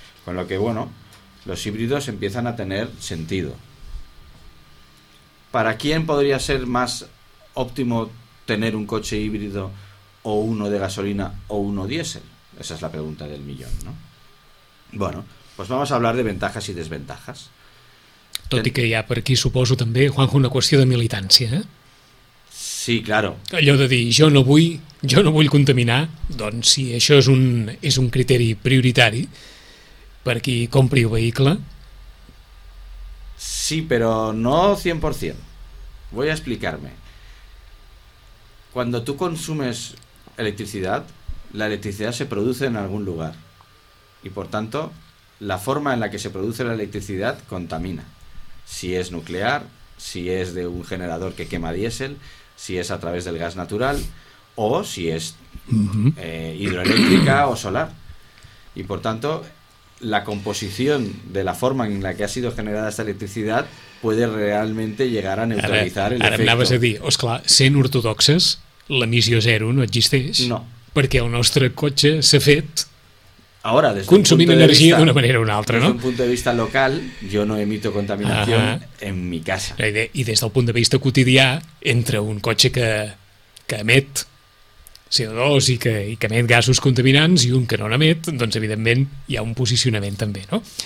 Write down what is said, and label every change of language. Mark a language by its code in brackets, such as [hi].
[es] Con lo que, bueno, los híbridos empiezan a tener sentido. ¿Para quién podría ser más óptimo tener un coche híbrido o uno de gasolina o uno diésel? Esa es la pregunta del millón, ¿no? Bueno, pues vamos a hablar de ventajas y desventajas. [ca] Tot i que hi ha per aquí, suposo, també, Juanjo, una qüestió de militància, eh? [es] Sí, claro. [ca] Allò de dir, jo no vull contaminar, doncs si això és un criteri prioritari per qui compri el vehicle. [es] Sí, però no 100%. Voy a explicarme. Cuando tú consumes electricidad, la electricidad se produce en algún lugar. Y por tanto, la forma en la que se produce la electricidad contamina. Si es nuclear, si es de un generador que quema diésel, si es a través del gas natural, o si es hidroeléctrica o solar. Y por tanto, la composición de la forma en la que ha sido generada esta electricidad puede realmente llegar a neutralizar el efecto. [ca] Ara anaves a dir, esclar, sent ortodoxes, l'emissió zero no existeix. No. Perquè el nostre cotxe s'ha fet... [es] Ahora, [ca] consumint energia d'una manera o una altra, [es] desde un punto de vista local, yo no emito contaminación en mi casa. [ca] I des del punt de vista quotidià, entre un cotxe que emet CO2 i que emet gasos contaminants i un que no n'emet, doncs evidentment hi ha un posicionament també, no?